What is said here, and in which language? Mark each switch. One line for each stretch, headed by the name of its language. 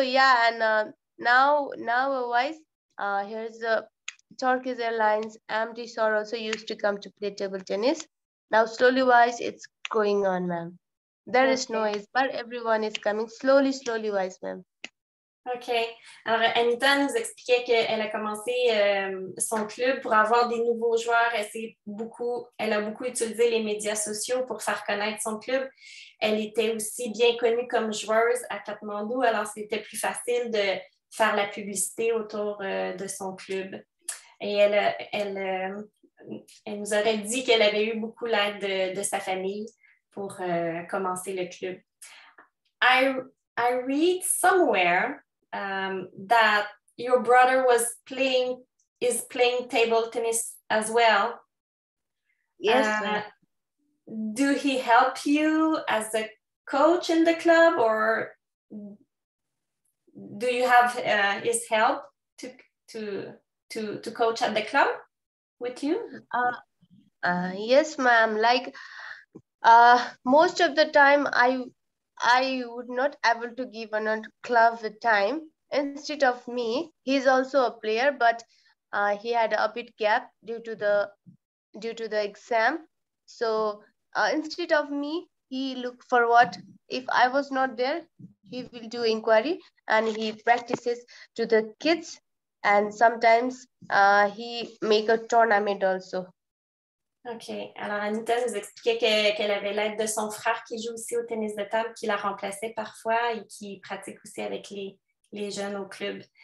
English: Yeah, and now wise here's the Turkish Airlines MD Sor also used to come to play table tennis. Now slowly wise it's going on, ma'am. There okay. is noise, but everyone is coming slowly, slowly wise, ma'am. Okay.
French: Alors, Anita nous expliquait qu'elle a commencé son club pour avoir des nouveaux joueurs. Elle a beaucoup utilisé les médias sociaux pour faire connaître son club. Elle était aussi bien connue comme joueuse à Katmandou, alors c'était plus facile de faire la publicité autour de son club. Et elle nous aurait dit qu'elle avait eu beaucoup l'aide de sa famille pour commencer le club.
English: I read somewhere that your brother is playing table tennis as well. Yes. Do he help you as a coach in the club, or do you have his help to coach at the club with you? Yes, ma'am. Like most of the time, I would not able to give a club the time. Instead of me, he's also a player, but he had a bit gap due to the exam. So instead of me, he look for what if I was not there, he will do inquiry and he practices to the kids, and sometimes he make a tournament also.
French: Okay, alors Anita nous expliquait qu'elle avait l'aide de son frère qui joue aussi au tennis de table, qui la remplaçait parfois et qui pratique aussi avec les jeunes au club.